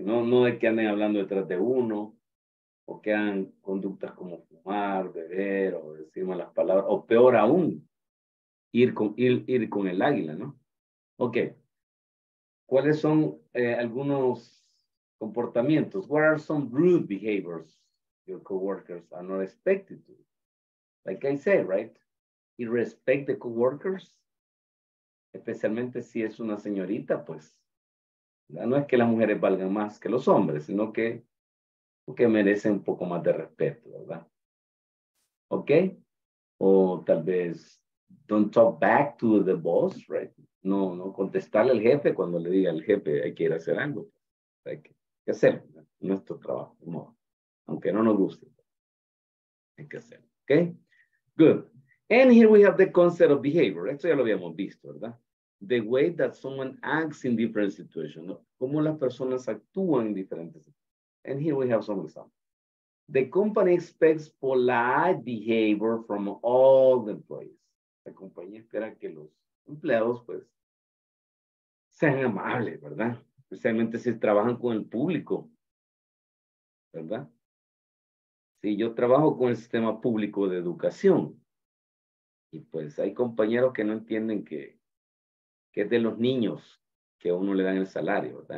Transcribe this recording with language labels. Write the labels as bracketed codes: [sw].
[es] No de que anden hablando detrás de uno, o que hagan conductas como fumar, beber, o decir malas palabras, o peor aún, ir con el águila, ¿no? Ok. ¿Cuáles son algunos comportamientos. [en] What are some rude behaviors your coworkers are not expected to? Like I said, right? You respect the coworkers, [es] especialmente si es una señorita, pues. No es que las mujeres valgan más que los hombres, sino que porque merecen un poco más de respeto, ¿verdad? [en] Okay? [es] O tal vez [en] don't talk back to the boss, right? [es] No contestarle al jefe cuando le diga al jefe hay que ir a hacer algo. Hay que hacer nuestro trabajo, no, aunque no nos guste. Hay que hacer, okay? Good. [en] And here we have the concept of behavior. [es] Esto ya lo habíamos visto, ¿verdad? [en] The way that someone acts in different situations. ¿No? [es] Cómo las personas actúan en diferentes situaciones. [en] And here we have some examples. The company expects polite behavior from all the employees. [es] La compañía espera que los empleados, pues, sean amables, ¿verdad? Especialmente si trabajan con el público, ¿verdad? Si yo trabajo con el sistema público de educación, y pues hay compañeros que no entienden que es de los niños que a uno le dan el salario, ¿verdad?